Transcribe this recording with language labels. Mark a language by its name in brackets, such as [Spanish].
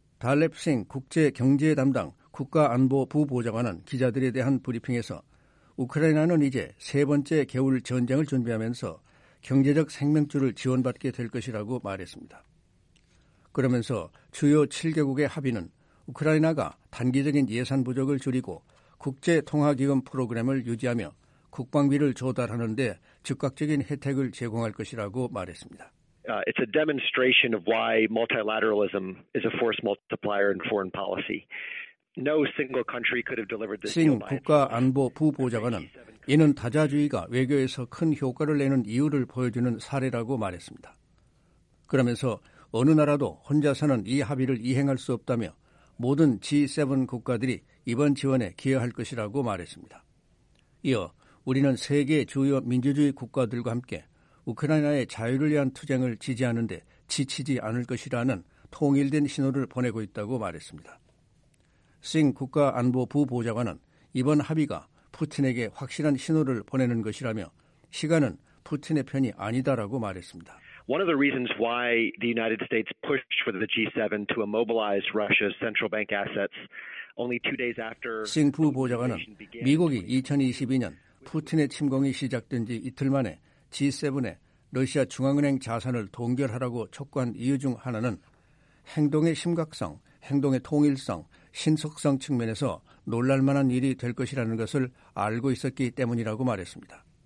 [Korean] 달랩싱 국제경제담당 국가안보부보좌관은 기자들에 대한 브리핑에서 우크라이나는 이제 세 번째 겨울 전쟁을 준비하면서 경제적 생명줄을 지원받게 될 것이라고 말했습니다. 그러면서 주요 7개국의 합의는 우크라이나가 단기적인 예산 부족을 줄이고 국제통화기금 프로그램을 유지하며 국방비를 조달하는 데 즉각적인 혜택을 제공할 것이라고 말했습니다. [English] It's a demonstration of why multilateralism is a force multiplier in foreign policy. No single country could have delivered this deal by itself. [Korean] 싱 국가안보부보좌관은 이는 다자주의가 외교에서 큰 효과를 내는 이유를 보여주는 사례라고 말했습니다. 그러면서 어느 나라도 혼자서는 이 합의를 이행할 수 없다며 모든 G7 국가들이 이번 지원에 기여할 것이라고 말했습니다. 이어 우리는 세계 주요 민주주의 국가들과 함께 우크라이나의 자유를 위한 투쟁을 지지하는 데 지치지 않을 것이라는 통일된 신호를 보내고 있다고 말했습니다. 싱 국가안보부보좌관은 이번 합의가 푸틴에게 확실한 신호를 보내는 것이라며 시간은 푸틴의 편이 아니다라고 말했습니다. [English] One of the reasons why the United States pushed for the G7 to immobilize Russia's central bank assets only two days after [Korean] 싱 부보좌관은 미국이 2022년 푸틴의 침공이 시작된 지 이틀 만에 G7에 러시아 중앙은행 자산을 동결하라고 촉구한 이유 중 하나는 행동의 심각성, 행동의 통일성, 신속성 측면에서 놀랄만한 일이 될 것이라는 것을 알고 있었기 때문이라고 말했습니다.